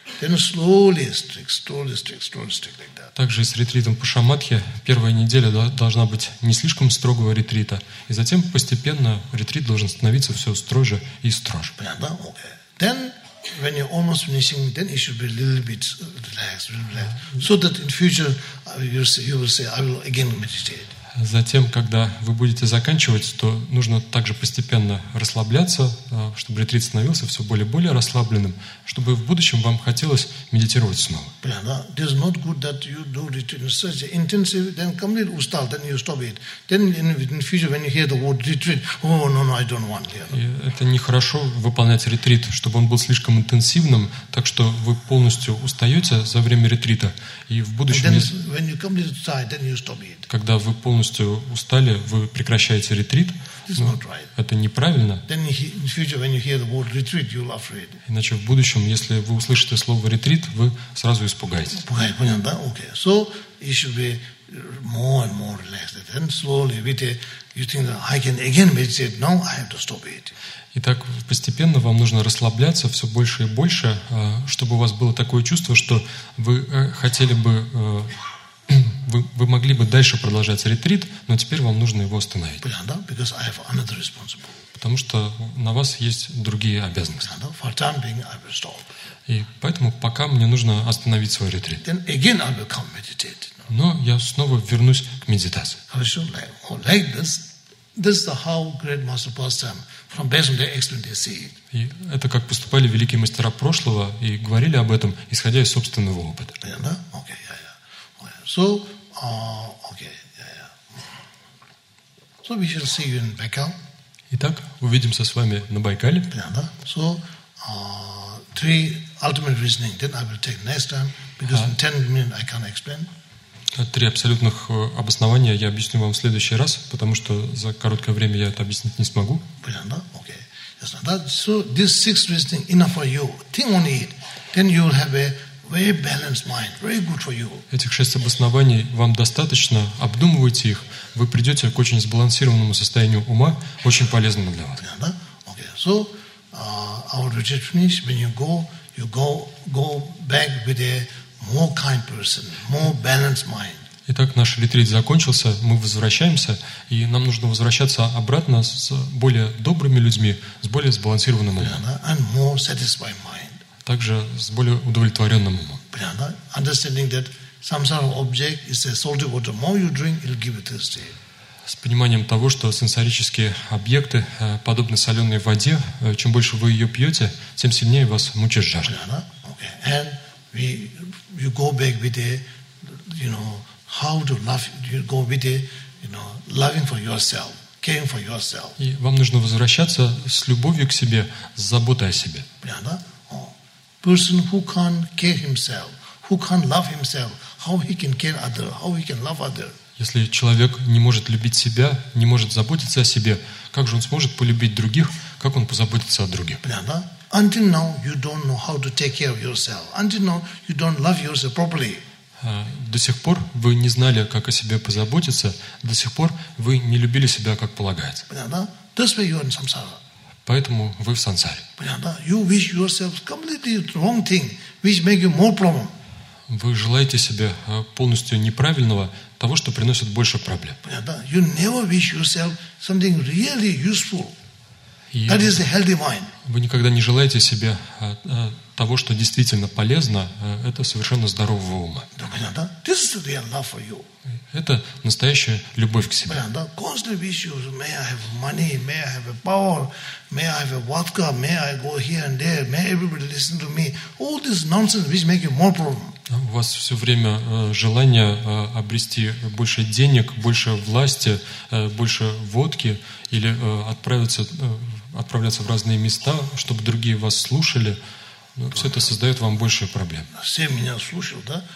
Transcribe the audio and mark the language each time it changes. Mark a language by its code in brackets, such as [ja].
[en] Then slowly strict, slowly strict, slowly strict, like that. [ru] Также и с ретритом по шамадхе первая неделя должна быть не слишком строгого ретрита, и затем постепенно ретрит должен становиться все строже и строже. Понятно, да? [en] Okay. Then, when you're almost finishing, then you should be a little bit relaxed, relaxed. So that in future you will say, I will again meditate. [ru] Затем, когда вы будете заканчивать, то нужно также постепенно расслабляться, чтобы ретрит становился все более-более расслабленным, чтобы в будущем вам хотелось медитировать снова. Понятно? [en] It is not good that you do retreat such intensive, then completely [ru] устал, [en] then you stop it. Then in future, when you hear the word retreat, oh, no, no, I don't want it. [ru] Это нехорошо выполнять ретрит, чтобы он был слишком интенсивным, так что вы полностью устаете за время ретрита, и в будущем... [en] And then, when you completely tired, then you stop it. [ru] Когда вы полностью устали, вы прекращаете ретрит. [en] Right. [ru] Это неправильно. Иначе в будущем, если вы услышите слово ретрит, вы сразу испугаетесь. [en] Okay, [ru] понятно, да? Okay. [en] So it should be more and more relaxed. And slowly, with it, you think that I can again meditate. Now I have to stop it. [ru] Итак, постепенно вам нужно расслабляться все больше и больше, чтобы у вас было такое чувство, что вы хотели бы вы могли бы дальше продолжать ретрит, но теперь вам нужно его остановить. [en] Prananda, because I have another responsibility. [ru] Потому что на вас есть другие обязанности. [en] Prananda, for time being, I will stop. [ru] И поэтому пока мне нужно остановить свой ретрит. [en] Then again I will come meditate. No. [ru] Но я снова вернусь к медитации. Хорошо, [en] like this. This is how great master pastime from Besant they explained they see. [ru] И это как поступали великие мастера прошлого и говорили об этом, исходя из собственного опыта. [en] Prananda, okay, yeah, yeah. Okay. So, okay, yeah, yeah. So we shall see you in Baikal. [ru] Итак, увидимся с вами на Байкале. [en] Prananda, so, three ultimate reasoning. Then I will take next time because in 10 minutes I can't explain. [ru] Три абсолютных обоснования я объясню вам в следующий раз, потому что за короткое время я это объяснить не смогу. [en] Prananda, okay. Yes, that, so this six reasoning enough for you. Think on it, then you will have a very balanced mind. Very good for you. [ru] Этих шесть обоснований вам достаточно. Обдумывайте их, вы придете к очень сбалансированному состоянию ума, очень полезному для вас. [en] Prananda, okay. So our retreat finish. When you go back with a more kind person, more balanced mind. [ru] Итак, наш ретрит закончился, мы возвращаемся, и нам нужно возвращаться обратно с более добрыми людьми, с более сбалансированным умом. [en] Prananda, and more satisfied mind. [ru] Также с более удовлетворенным умом. [en] Prananda, understanding that samsara object is a salty water. More you drink, it'll give you thirsty. [ru] С пониманием того, что сенсорические объекты подобны соленой воде, чем больше вы ее пьете, тем сильнее вас мучает жажда. [en] Prananda, okay. And you go back with a, you know, how to love. You go with a, you know, loving for yourself, caring for yourself. [ru] И вам нужно возвращаться с любовью к себе, с заботой о себе. [en] Prananda, oh. Person who can't care himself, who can't love himself, how he can care other, how he can love other? [ru] Если человек не может любить себя, не может заботиться о себе, как же он сможет полюбить других, как он позаботится о других? [en] Prananda, until now you don't know how to take care of yourself. Until now you don't love yourself properly. [ru] До сих пор вы не знали, как о себе позаботиться, до сих пор вы не любили себя, как полагается. [en] Prananda, that's why you are in samsara. [ru] Поэтому вы в сансаре. [en] Prananda, you wish yourself completely wrong thing, which make you more problem. [ru] Вы желаете себе полностью неправильного, того, что приносит больше проблем. [en] Prananda, you never wish yourself something really useful. That is a healthy mind. [ru] Вы никогда не желаете себе того, что действительно полезно, это совершенно здорового ума. [en] Prananda, this is real love for you. [ru] Это настоящая любовь к себе. [en] Prananda, constantly wish you, may I have money, may I have a power, may I have a vodka, may I go here and there, may everybody listen to me. All this nonsense which make you more problem. [ru] У вас все время желание обрести больше денег, больше власти, больше водки или отправляться в разные места, чтобы другие вас слушали. Но все это создает вам больше проблем. Все меня слушают, да?